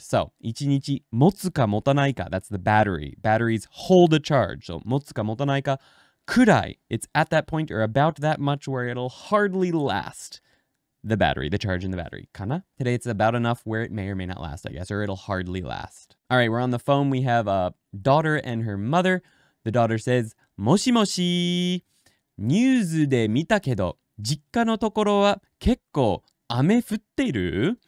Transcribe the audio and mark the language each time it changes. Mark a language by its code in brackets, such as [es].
[en] So, [ja] 一日持つか持たないか. [en] That's the battery. Batteries hold a charge. So, [ja] 持つか持たないかくらい. [en] It's at that point or about that much where it'll hardly last the battery, the charge in the battery. [ja] かな? [en] Today it's about enough where it may or may not last, I guess, or it'll hardly last. All right, we're on the phone. We have a daughter and her mother. The daughter says, [ja] もしもし、ニュースで見たけど、実家のところは結構雨降っている?